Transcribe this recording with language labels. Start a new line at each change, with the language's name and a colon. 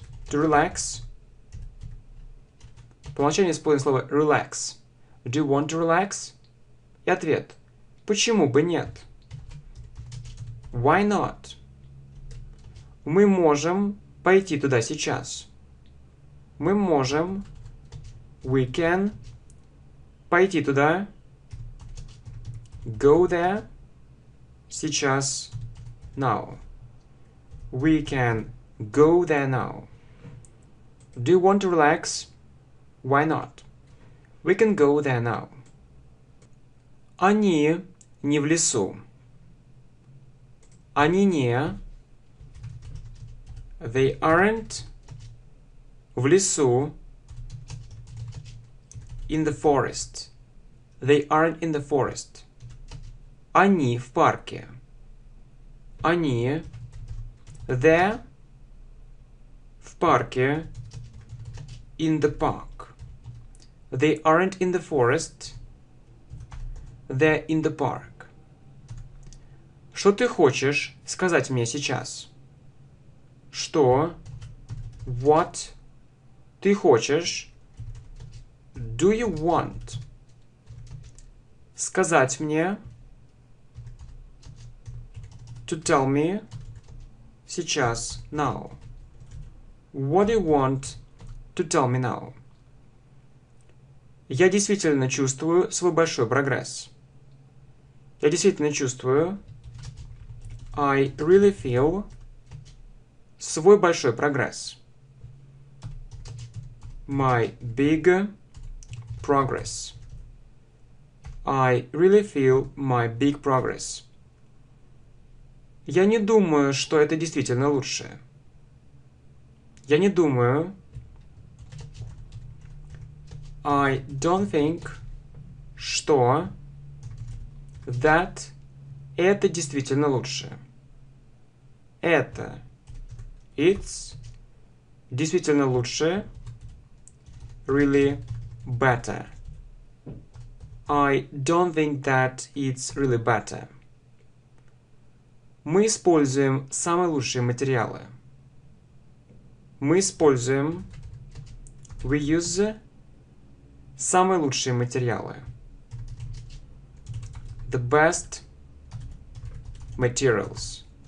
English: To relax.
Russian: По умолчанию используем слово relax.
English: Do you want to relax?
Russian: И ответ. Почему бы нет?
English: Why not?
Russian: Мы можем пойти туда сейчас. Мы можем.
English: We can.
Russian: Пойти туда.
English: Go there.
Russian: Сейчас.
English: Now. We can go there now. Do you want to relax? Why not? We can go there now.
Russian: Они не в лесу. Они не.
English: They aren't
Russian: в лесу.
English: In the forest. They aren't in the forest.
Russian: Они в парке. Они
English: there
Russian: в парке.
English: In the park. They aren't in the forest. They're in the park.
Russian: Что ты хочешь сказать мне сейчас? Что?
English: What
Russian: ты хочешь?
English: Do you want
Russian: сказать мне?
English: To tell me
Russian: сейчас,
English: now. What do you want to tell me now?
Russian: Я действительно чувствую свой большой прогресс. Я действительно чувствую.
English: I really feel
Russian: свой большой прогресс.
English: My big progress. I really feel my big progress.
Russian: Я не думаю, что это действительно лучшее. Я не думаю.
English: I don't think,
Russian: что
English: that
Russian: это действительно лучше. Это
English: it's
Russian: действительно лучше.
English: Really better. I don't think that it's really better.
Russian: Мы используем самые лучшие материалы. Мы используем
English: we use
Russian: самые лучшие материалы.
English: the best materials.